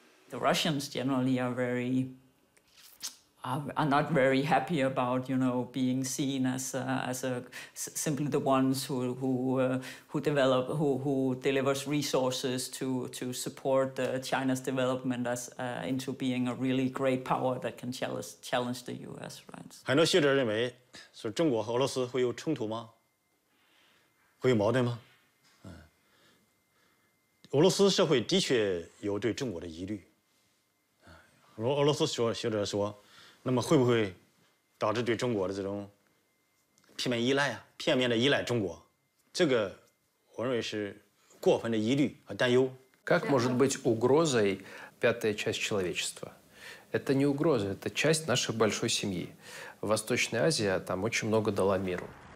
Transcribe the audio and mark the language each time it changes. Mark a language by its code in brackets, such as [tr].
[en] The Russians generally are not very happy about, you know, being seen as simply the ones who delivers resources to support China's development into being a really great power that can challenge the U.S. Right? [zh] 很多学者认为，是中国和俄罗斯会有冲突吗？会有矛盾吗？俄罗斯社会的确有对中国的疑虑，如俄罗斯学者说，那么会不会导致对中国的这种片面依赖啊，片面的依赖中国？这个我认为是过分的疑虑和担忧。 [ru] Как может быть угрозой пятая часть человечества? Это не угроза, это часть нашей большой семьи. Восточная Азия там очень много дала миру.